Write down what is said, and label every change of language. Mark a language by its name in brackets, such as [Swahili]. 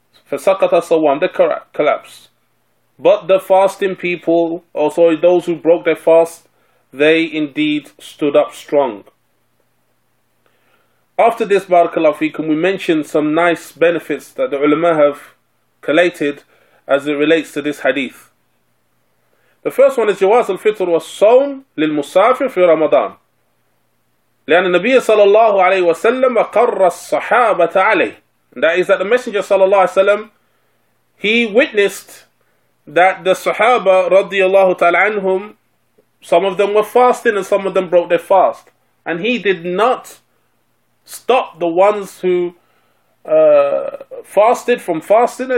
[Arabic] فَسَقَطَ صَوَّام, [English] they collapsed. But the fasting people, or sorry, those who broke their fast, they indeed stood up strong. After this, barakallahu fikum, we mentioned some nice benefits that the ulama have collated as it relates to this hadith. The first one is [Arabic] جواز الفطر والصوم للمسافر في رمضان لأن النبي صلى الله عليه وسلم أقر الصحابة عليه. [English] That is that the Messenger [Arabic] صلى الله عليه وسلم, [English] he witnessed that the Sahaba [Arabic] رضي الله تعالى عنهم, [English] some of them were fasting and some of them broke their fast, and he did not stop the ones who fasted from fasting.